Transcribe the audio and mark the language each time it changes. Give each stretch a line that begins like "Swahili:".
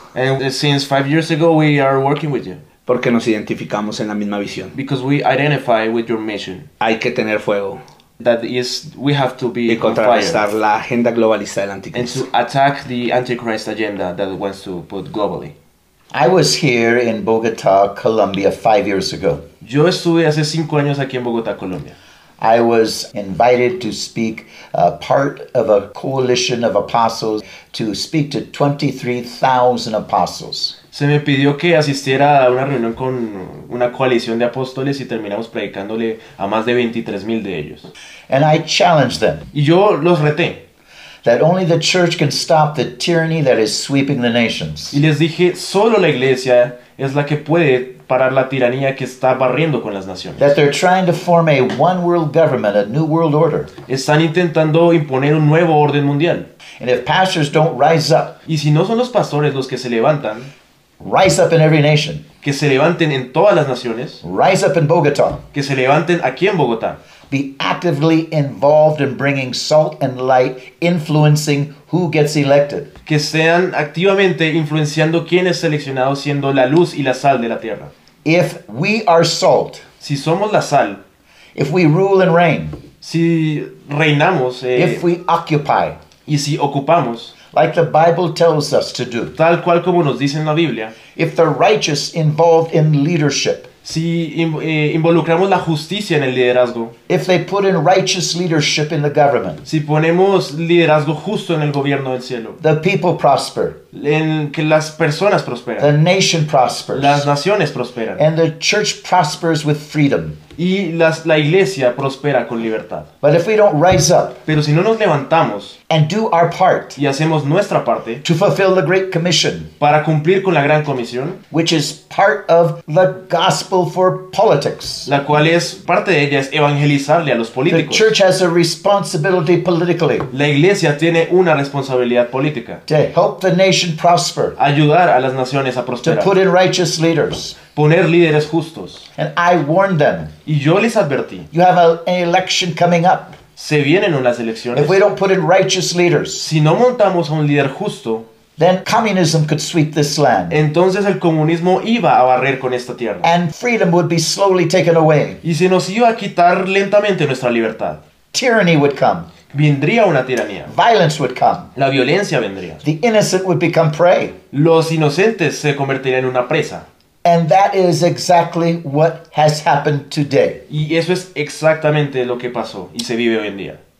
English: And since 5 years ago, we are working with you.
Spanish: Porque nos identificamos en la misma visión.
English: Because we identify with your mission.
Spanish: Hay que tener fuego.
English: That is, we have to be on fire.
Spanish: La agenda globalista del anticristo.
English: And to attack the Antichrist agenda that wants to put globally. I was here in Bogotá, Colombia, 5 years ago.
Spanish: Yo estuve hace 5 años aquí en Bogotá, Colombia.
English: I was invited to speak part of a coalition of apostles to speak to 23,000 apostles.
Spanish: Se me pidió que asistiera a una reunión con una coalición de apóstoles y terminamos predicándole a más de 23,000 de ellos.
English: And I challenged them.
Spanish: Y yo los reté.
English: That only the church can stop the tyranny that is sweeping the nations.
Spanish: Y les dije, solo la iglesia es la que puede parar la tiranía que está barriendo con las naciones.
English: That they're trying to form a one world government, a new world order.
Spanish: Están intentando imponer un nuevo orden mundial.
English: And if pastors don't rise up,
Spanish: y si no son los pastores los que se levantan,
English: rise up in every nation.
Spanish: Que se levanten en todas las naciones.
English: Rise up in Bogotá.
Spanish: Que se levanten aquí en Bogotá.
English: Be actively involved in bringing salt and light, influencing who gets elected.
Spanish: Que sean activamente influenciando quién es seleccionado, siendo la luz y la sal de la tierra.
English: If we are salt,
Spanish: si somos la sal,
English: if we rule and reign,
Spanish: si reinamos,
English: if we occupy,
Spanish: y si ocupamos,
English: like the Bible tells us to do,
Spanish: tal cual como nos dice en la Biblia,
English: if the righteous involved in leadership,
Spanish: si involucramos la justicia en el liderazgo,
English: if they put in righteous leadership in the government,
Spanish: si ponemos liderazgo justo en el gobierno del cielo,
English: the people prosper,
Spanish: en que las personas prosperan,
English: the nation prospers,
Spanish: las naciones prosperan,
English: and the church prospers with freedom,
Spanish: y la iglesia prospera con libertad.
English: But if we don't rise up,
Spanish: pero si no nos levantamos,
English: and do our part,
Spanish: y hacemos nuestra parte,
English: to fulfill the great commission,
Spanish: para cumplir con la gran comisión,
English: which is part of the gospel for politics,
Spanish: la cual es parte de ella, es evangelizarle a los políticos.
English: The church has a responsibility politically,
Spanish: la iglesia tiene una responsabilidad política,
English: to help the nation prosper,
Spanish: ayudar a las naciones a prosperar,
English: to put in righteous leaders,
Spanish: poner líderes justos.
English: And I warned them,
Spanish: y yo les advertí,
English: you have an election coming up,
Spanish: se vienen unas elecciones,
English: if we don't put in righteous leaders,
Spanish: si no montamos a un líder justo,
English: then communism could sweep this land,
Spanish: entonces el comunismo iba a barrer con esta tierra,
English: and freedom would be slowly taken away,
Spanish: y se nos iba a quitar lentamente nuestra libertad.
English: Tyranny would come,
Spanish: vendría una tiranía.
English: Violence would come,
Spanish: la violencia vendría.
English: The innocent would become prey,
Spanish: los inocentes se convertirían en una presa.
English: And that is exactly what has happened today.
Spanish: Y eso es exactamente lo que pasó y se vive hoy en día.